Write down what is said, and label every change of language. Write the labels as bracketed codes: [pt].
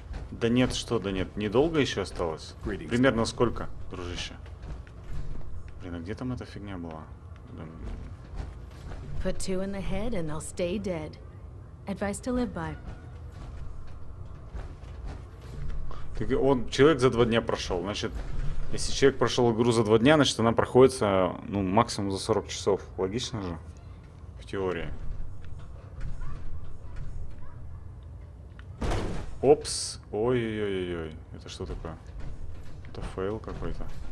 [ru] Да нет, что, да нет, недолго еще осталось? Примерно сколько, дружище? Блин, а где там эта фигня была? [en] Put two in the head and they'll stay dead. Advice to live by. [ru] Так он человек за два дня прошел, значит, если человек прошел игру за два дня, значит, она проходится, ну, максимум за 40 часов. Логично же? В теории. Опс. Ой-ой-ой-ой. Это что такое? Это фейл какой-то.